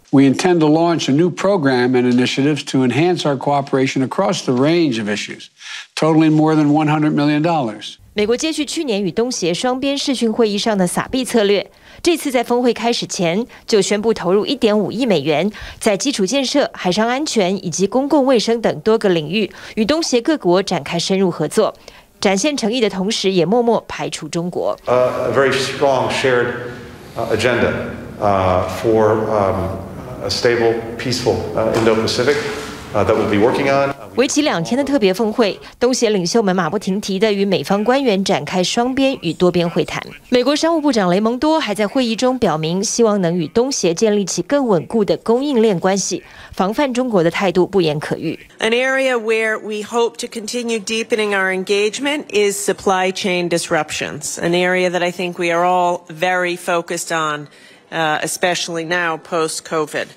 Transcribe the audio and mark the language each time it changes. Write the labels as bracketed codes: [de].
[en] We intend to launch a new program and initiatives to enhance our cooperation across the range of issues, totaling more than $100 million. [zh] 美国接续去年与东协双边视讯会议上的撒币策略，这次在峰会开始前就宣布投入1.5亿美元，在基础建设、海上安全以及公共卫生等多个领域，与东协各国展开深入合作。展现诚意的同时，也默默排除中国。 [en] A very strong shared agenda for a stable, peaceful Indo-Pacific that we'll be working on. [zh] 为期2天的特别峰会，东协领袖们马不停蹄地与美方官员展开双边与多边会谈。美国商务部长雷蒙多还在会议中表明，希望能与东协建立起更稳固的供应链关系。防范中国的态度不言可喻。 [en] An area where we hope to continue deepening our engagement is supply chain disruptions, an area that I think we are all very focused on, especially now post-COVID.